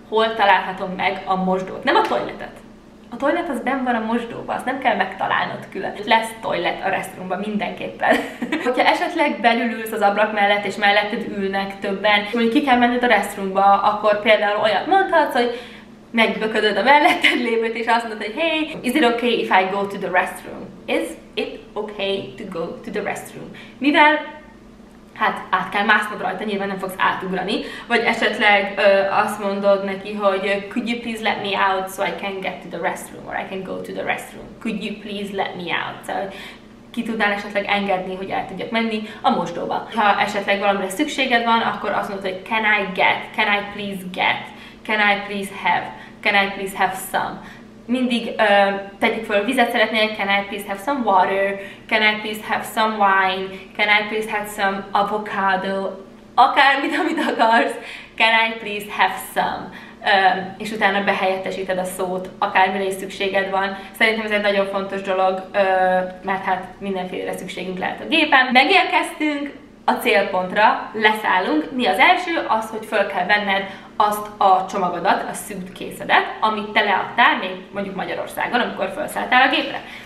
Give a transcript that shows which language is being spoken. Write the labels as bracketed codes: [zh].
[hu] Hol találhatom meg a mosdót? Nem a toiletet. A toilet az benn van a mosdóban, azt nem kell megtalálnod külön. Lesz toilet a restroomban mindenképpen. Hogyha esetleg belül ülsz az ablak mellett, és melletted ülnek többen, hogy ki kell menned a restroomba, akkor például olyat mondhatsz, hogy megböködöd a melletted lévőt, és azt mondod, hogy [en] hey, is it okay if I go to the restroom? Is it okay to go to the restroom? [hu] Mivel, hát át kell másznod rajta, nyilván nem fogsz átugrani, vagy esetleg azt mondod neki, hogy [en] could you please let me out so I can get to the restroom, or I can go to the restroom? Could you please let me out? [hu] Szóval ki tudnál esetleg engedni, hogy el tudjak menni a mosdóba. Ha esetleg valamire szükséged van, akkor azt mondod, hogy [en] can I please get? Can I please have? Can I please have some? [hu] Mindig tegyük fel, vizet szeretnél, [en] can I please have some water? Can I please have some wine? Can I please have some avocado? [hu] Akármit, amit akarsz, [en] can I please have some? [hu] és utána behelyettesíted a szót, akármire is szükséged van. Szerintem ez egy nagyon fontos dolog, mert hát mindenféle szükségünk lehet a gépen. Megérkeztünk a célpontra, leszállunk. Mi az első? Az, hogy föl kell venned azt a csomagodat, a suitcase-edet, amit te leadtál még mondjuk Magyarországon, amikor felszálltál a gépre.